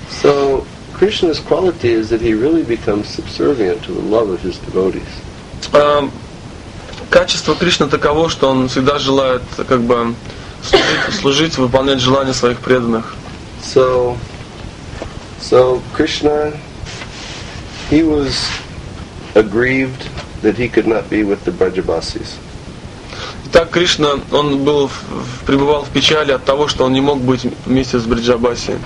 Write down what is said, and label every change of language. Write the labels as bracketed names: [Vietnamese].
[English] So Krishna's quality is that he really becomes subservient to the love of his devotees. [Russian] Качество Кришны таково, что он всегда желает как бы служить, выполнять желания своих преданных. [English] So Krishna, he was aggrieved that he could not be with the Brajabasis. [Russian] Итак, Кришна, он был пребывал в печали от того, что он не мог быть вместе с Бриджабаси.